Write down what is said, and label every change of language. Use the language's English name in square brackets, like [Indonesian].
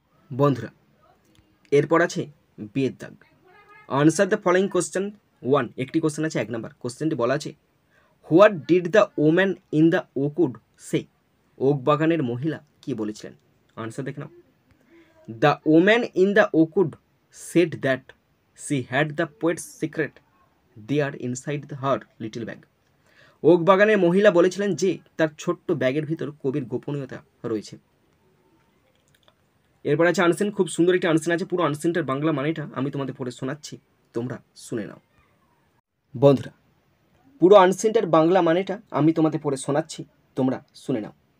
[Bangla] বন্ধুরা, এরপর আছে বিয়ের দাগ, [English] answer the following question [Bangla] 1, একটি কোশ্চেন আছে 1 নম্বর। কোশ্চেনটি বলা আছে, [English] what did the woman in the oakwood say, [Bangla] okay বাগানের মহিলা কী বলেছিলেন, আনসার দেখে নাও, [English] The woman in the oakwood said that she had the poet's secret there inside her little bag. [Bangla] Okay বাগানের মহিলা বলেছিলেন যে তার ছোট্ট ব্যাগের ভিতর কবির গোপনীয়তা রয়েছে। এরপর আছে আনসিন, খুব সুন্দর একটি আনসিন আছে। পুরো আনসিনটার বাংলা মানেটা আমি তোমাদের পড়ে শোনাচ্ছি, তোমরা শুনে নাও। বন্ধুরা, পুরো আনসিনটার বাংলা মানেটা আমি তোমাদের পড়ে শোনাচ্ছি, তোমরা শুনে নাও।